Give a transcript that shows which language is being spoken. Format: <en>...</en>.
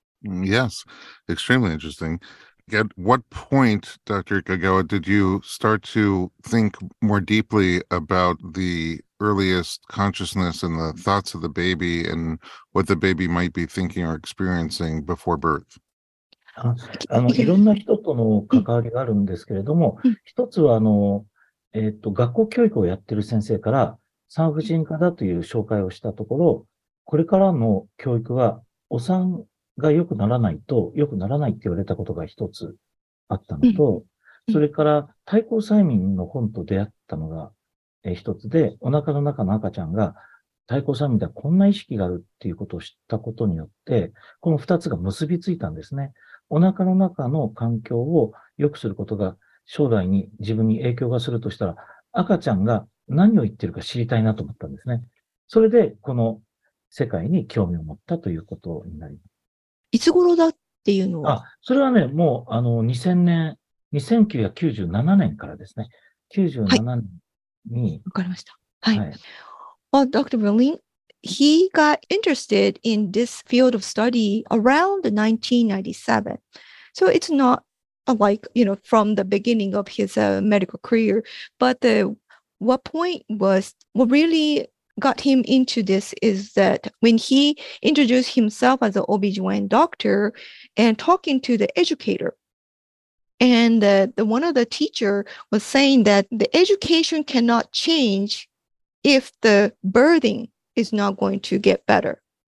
<en>Yes, extremely interesting. At what point, Dr. Ikagawa, did you start to think more deeply about the earliest consciousness and the thoughts of the baby and what the baby might be thinking or experiencing before birth?</en> <ja>いろんな人との関わりがあるんですけれども、一つは学校教育をやってる先生から産婦人科だという紹介をしたところ、これからの教育はお産が良くならないと良くならないって言われたことが一つあったのと、うん、それから対抗催眠の本と出会ったのが一つで、お腹の中の赤ちゃんが対抗催眠ではこんな意識があるっていうことを知ったことによって、この二つが結びついたんですね。お腹の中の環境を良くすることが将来に自分に影響がするとしたら、赤ちゃんが何を言ってるか知りたいなと思ったんですね。それでこの世界に興味を持ったということになります。いつ頃だっていうのは、あ、それはね、もう2000年、1997年からですね。 97年に、はい、分かりました。はい、はい。</ja> <en>Well, Dr. Berlin, he got interested in this field of study around 1997. So it's not like, you know, from the beginning of his medical career, but what really got him into this is that when he introduced himself as an OB-GYN doctor and talking to the educator,And one of the teacher was saying that the education cannot change if the birthing is not going to get better.</en>